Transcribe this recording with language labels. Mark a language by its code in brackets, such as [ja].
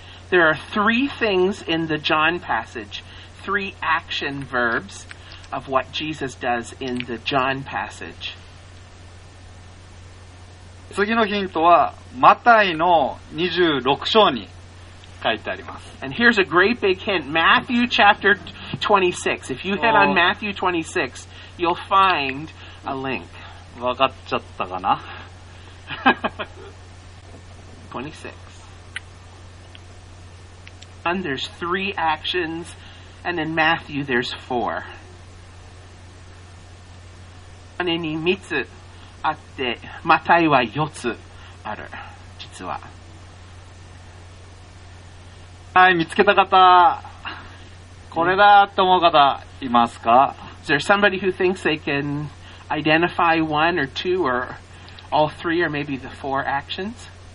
[en] There are three things in the John passage. Three action verbs of what Jesus does in the John passage. [ja] 次のヒントはマタイの26章に書いてあります。 [en] And here's a great big hint. Matthew chapter 26. If you hit on Matthew 26, you'll find a link. [ja] わかっちゃったかな? [en] 26. And there's three actions. And in Matthew, there's four. [ja] マネに三つあって、マタイは四つある、実は。はい、見つけた方、これだと思う方、いますか? [en] Is there somebody who thinks they can identify one or two or all three or maybe the four actions?